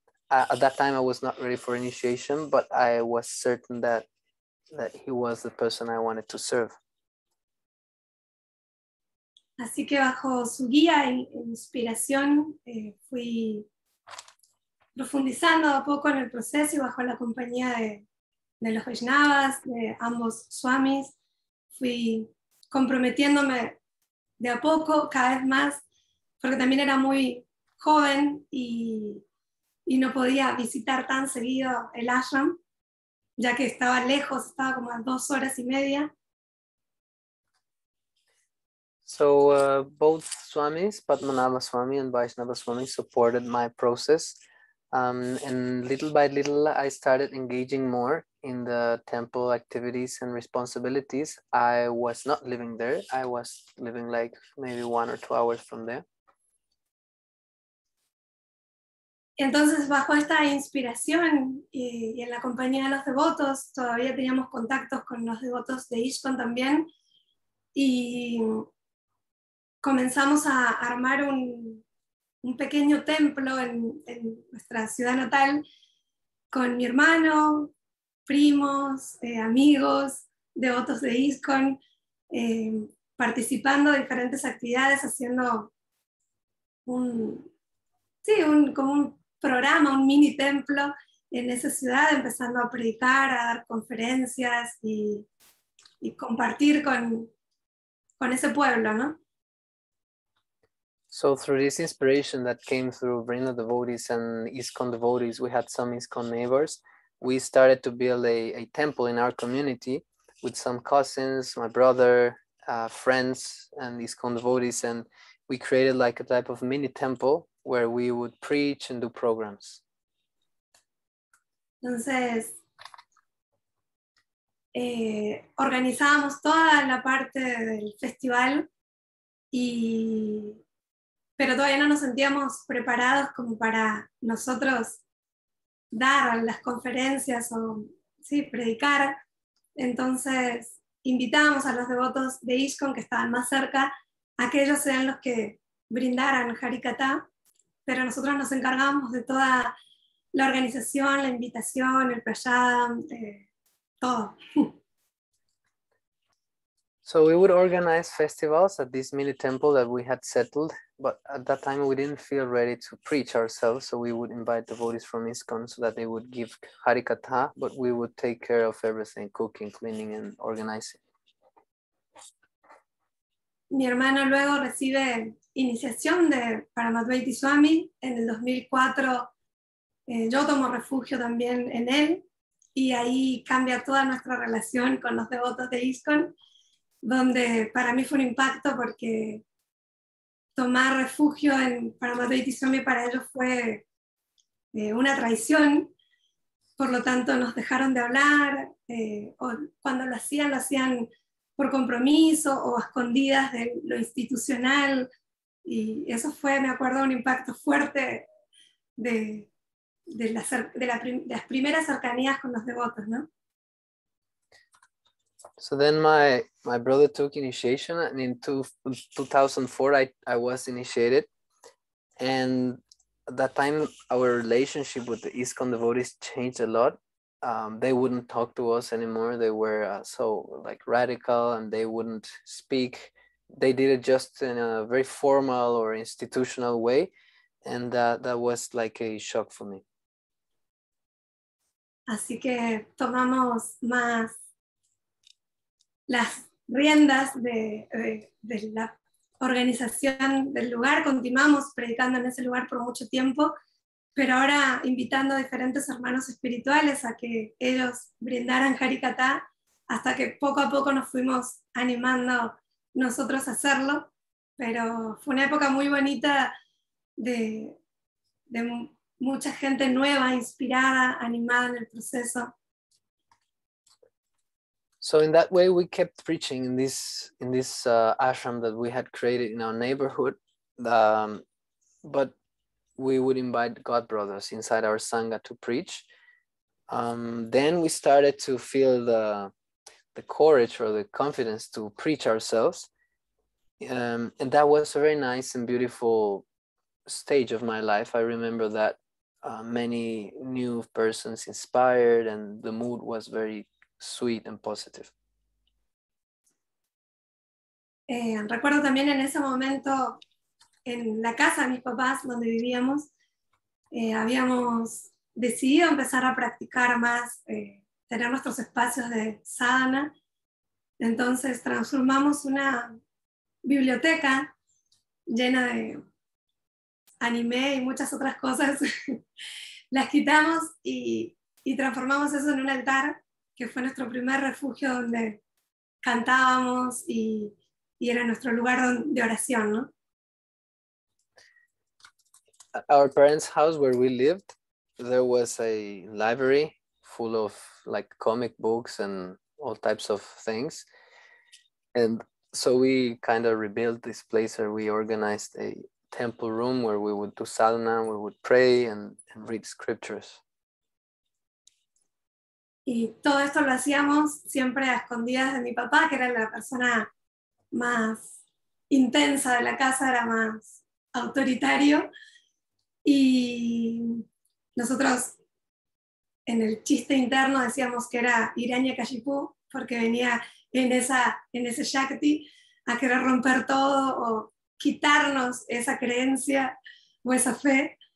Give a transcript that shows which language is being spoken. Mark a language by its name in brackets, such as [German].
[English] At that time, I was not ready for initiation, but I was certain that he was the person I wanted to serve. [Spanish] Así que bajo su guía e inspiración fui profundizando a poco en el proceso y bajo la compañía de los Vaishnavas, de ambos swamis, fui comprometiéndome de a poco, cada vez más, porque también era muy joven y no podía visitar tan seguido el ashram, ya que estaba lejos, estaba como a 2 horas y media. [English] So both Swamis, Padmanabha Swami and Vaishnava Swami, supported my process. And little by little, I started engaging more in the temple activities and responsibilities. I was not living there. I was living like maybe 1 or 2 hours from there. [Spanish] Entonces, bajo esta inspiración y en la compañía de los devotos, todavía teníamos contactos con los devotos de ISKCON también, y comenzamos a armar un pequeño templo en nuestra ciudad natal con mi hermano, primos, amigos, devotos de ISKCON, participando de diferentes actividades, haciendo como un programa, un mini templo en esa ciudad, empezando a predicar, a dar conferencias y compartir con ese pueblo, ¿no? [English] So through this inspiration that came through Vrinda devotees and ISKCON devotees, we had some ISKCON neighbors. We started to build a temple in our community with some cousins, my brother, friends, and ISKCON devotees. And we created like a type of mini temple where we would preach and do programs. [Spanish] Entonces, organizábamos toda la parte del festival, pero todavía no nos sentíamos preparados como para nosotros dar las conferencias o sí, predicar. Entonces, invitábamos a los devotos de ISKCON que estaban más cerca, a que ellos sean los que brindaran Harikatha, pero nosotros nos encargábamos de toda la organización, la invitación, el prasadam, todo. [English] So we would organize festivals at this mini temple that we had settled, but at that time we didn't feel ready to preach ourselves. So we would invite devotees from ISKCON so that they would give Harikatha, but we would take care of everything, cooking, cleaning, and organizing. [Spanish] Mi hermano luego recibe iniciación de Paramadvaita Swami en el 2004. Yo tomo refugio también en él y ahí cambia toda nuestra relación con los devotos de ISKCON, donde para mí fue un impacto porque tomar refugio en Paramadvaita Swami para ellos fue una traición. Por lo tanto, nos dejaron de hablar, o cuando lo hacían por compromiso o a escondidas de lo institucional. Y eso fue, me acuerdo, un impacto fuerte de las primeras cercanías con los devotos, ¿no? [English] So then my brother took initiation, and in 2004 I was initiated. And at that time, our relationship with the ISKCON devotees changed a lot. They wouldn't talk to us anymore. They were so like radical, and they wouldn't speak. They did it just in a very formal or institutional way. And that was like a shock for me. [Spanish] Así que tomamos más las riendas de la organización del lugar, continuamos predicando en ese lugar por mucho tiempo, pero ahora invitando a diferentes hermanos espirituales a que ellos brindaran Harikatha, hasta que poco a poco nos fuimos animando nosotros a hacerlo. Pero fue una época muy bonita de mucha gente nueva, inspirada, animada en el proceso. [English] So in that way, we kept preaching in this ashram that we had created in our neighborhood. But we would invite God brothers inside our sangha to preach. Then we started to feel the courage or the confidence to preach ourselves. And that was a very nice and beautiful stage of my life. I remember that many new persons inspired, and the mood was very sweet and positive. [Spanish] Recuerdo también en ese momento en la casa de mis papás donde vivíamos, habíamos decidido empezar a practicar más, tener nuestros espacios de sadhana. Entonces transformamos una biblioteca llena de anime y muchas otras cosas, las quitamos y transformamos eso en un altar, que fue nuestro primer refugio donde cantábamos y era nuestro lugar de oración, ¿no? [English] Our parents' house where we lived, there was a library full of like comic books and all types of things. And so we kind of rebuilt this place, or we organized a temple room where we would do sadhana, we would pray and read scriptures. [Spanish] Y todo esto lo hacíamos siempre a escondidas de mi papá, que era la persona más intensa de la casa, era más autoritario. Y nosotros en el chiste interno decíamos que era Hiranya Kashipu, porque venía en ese Shakti a querer romper todo o quitarnos esa creencia o esa fe.